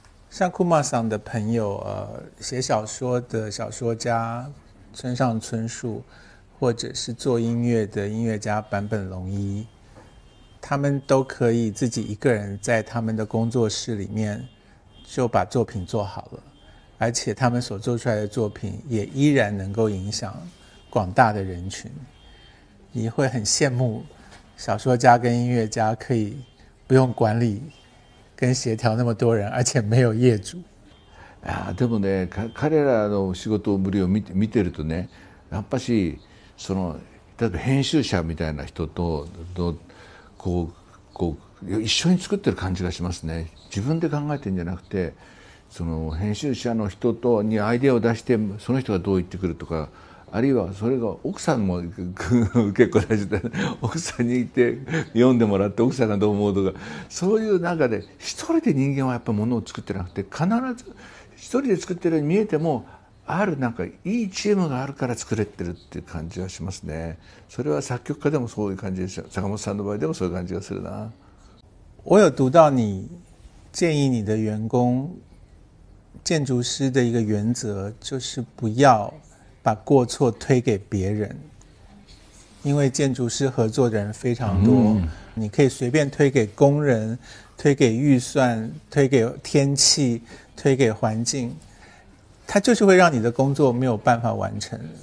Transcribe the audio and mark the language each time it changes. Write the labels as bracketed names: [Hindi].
[Chinese] 像库玛桑的朋友，写小说的小说家村上春树，或者是做音乐的音乐家坂本龙一，他们都可以自己一个人在他们的工作室里面就把作品做好了，而且他们所做出来的作品也依然能够影响广大的人群。你会很羡慕小说家跟音乐家可以不用管理跟协调那么多人，而且没有业主。 [Japanese] いやでもね、彼らの仕事ぶりを見てるとね、やっぱしその例えば編集者みたいな人とこう一緒に作ってる感じがしますね。自分で考えてるんじゃなくて、その編集者の人とにアイデアを出してその人がどう言ってくるとか、あるいはそれが奥さんも結構大事で、奥さんに言って読んでもらって奥さんがどう思うとか、そういう中で一人で人間はやっぱり物を作ってなくて、必ず一人で作ってるように見えても、あるなんかいいチームがあるから作れてるっていう感じはしますね。それは作曲家でもそういう感じでしょ。坂本さんの場合でもそういう感じがするな。 [Chinese] 我有读到你建议你的员工建筑师的一个原则，就是不要把过错推给别人，因为建筑师合作的人非常多，你可以随便推给工人，推给预算，推给天气，推给环境，它就是会让你的工作没有办法完成。